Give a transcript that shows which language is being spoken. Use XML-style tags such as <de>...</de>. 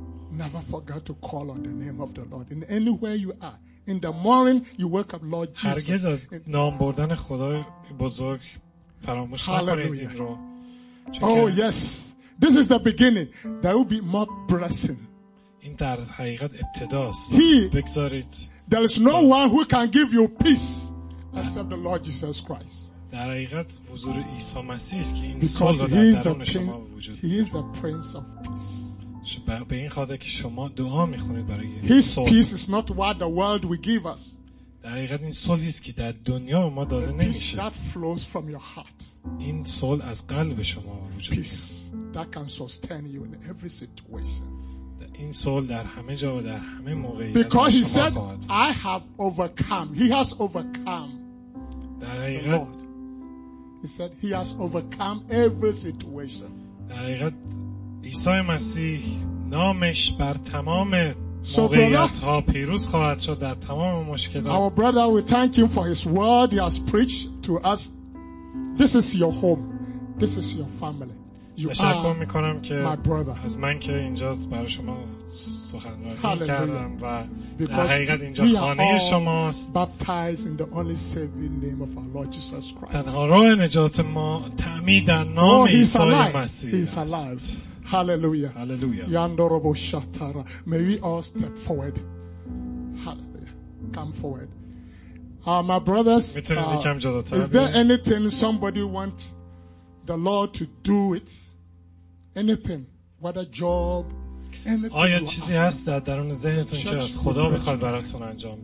<en>Never forget to call on the name of the Lord. In anywhere you are, in the morning you wake up, Lord Jesus.</en> <fa>هرگز از نام بردن خدا بزرگ فراموش نکنید این رو.</fa> <en>Oh yes. This is the beginning. There will be more blessing.</en> <fa>این در حقیقت ابتداست. بگذارید.</fa> <en>There is no one who can give you peace except the Lord Jesus Christ.</en> <fa>در حقیقت حضور عیسی مسیح است که این سال در درون شما وجود داره.</fa> <en>He is the Prince of Peace.</en> <fa>به این خاطر که شما دعا میخونید برای این</fa> <en>His peace is not what the world will give us.</en> <fa>در حقیقت این صلحی است که در دنیا ما داده نمیشه.</fa> <en>That flows from your heart.</en> <fa>این صلح از قلب شما وجود داره.</fa> <en>Peace. that can sustain you in every situation.</en> <fa>این سوال در همه جا و در همه موقعیت</fa> <en>Because he said, I have overcome. He has overcome.</en> <fa>در حقیقت</fa> <en>He said, he has overcome every situation.</en> <fa>در حقیقت عیسی مسیح نامش بر تمام موقعیت ها پیروز خواهد شد در تمام مشکلات.</fa> <en>Our brother, we thank him for his word he has preached to us. This is your home. This is your family.</en> <fa>تشکر میکنم که از من که اینجا برای شما سخنرانی کردم و در حقیقت اینجا خانه شماست.</fa> <en>Baptized in the only saving name of our Lord Jesus Christ.</en> <fa>تنها راه نجات ما تعمید در نام عیسی مسیح است.</fa> <en>Hallelujah. Hallelujah. Yandorobo shatara. May we all step forward. Hallelujah. Come forward. My brothers, is there anything somebody wants the Lord to do it? Anything? What a job? Anything?</en> <fa>آیا چیزی هست در درون ذهنتون که خدا بخواد براتون انجام بده؟</fa>